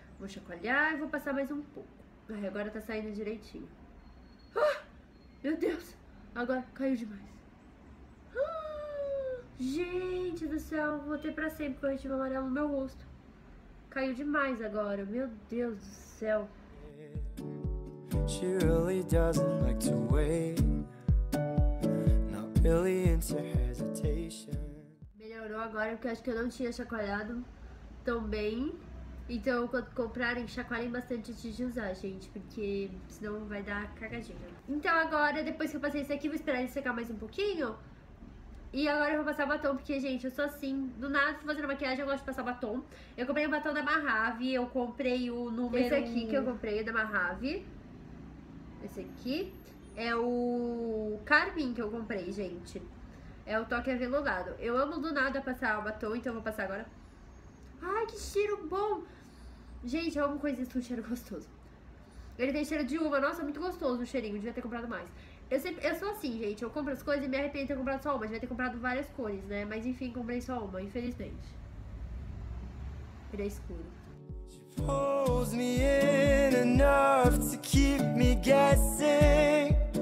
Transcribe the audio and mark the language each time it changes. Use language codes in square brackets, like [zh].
[pt] Vou chacoalhar e vou passar mais um pouco. Ai, agora tá saindo direitinho. Ah, meu Deus. Agora caiu demais. Ah, gente do céu, vou ter pra sempre o corretivo amarelo no meu rosto. Caiu demais agora, meu Deus do céu. [en] She really doesn't like to wait. Not really into hesitation. [pt] Melhorou agora, porque eu acho que eu não tinha chacoalhado tão bem. Então, quando comprarem, chacoalhem bastante antes de usar, gente, porque senão vai dar cagadinha. Então agora, depois que eu passei isso aqui, vou esperar ele secar mais um pouquinho. E agora eu vou passar batom, porque, gente, eu sou assim, do nada, se fazendo maquiagem, eu gosto de passar batom. Eu comprei um batom da Mahave, eu comprei o número... Esse aqui que eu comprei, da Mahave. Esse aqui é o Carmin que eu comprei, gente. É o toque aveludado. Eu amo do nada passar o batom, então eu vou passar agora. Ai, que cheiro bom! Gente, eu amo coisas com cheiro gostoso. Ele tem cheiro de uva. Nossa, muito gostoso o cheirinho. Devia ter comprado mais. Eu sou assim, gente. Eu compro as coisas e me arrependo de ter comprado só uma. Devia ter comprado várias cores, né? Mas enfim, comprei só uma, infelizmente. Ele é escuro. [en] She pulls me in enough to keep me guessing.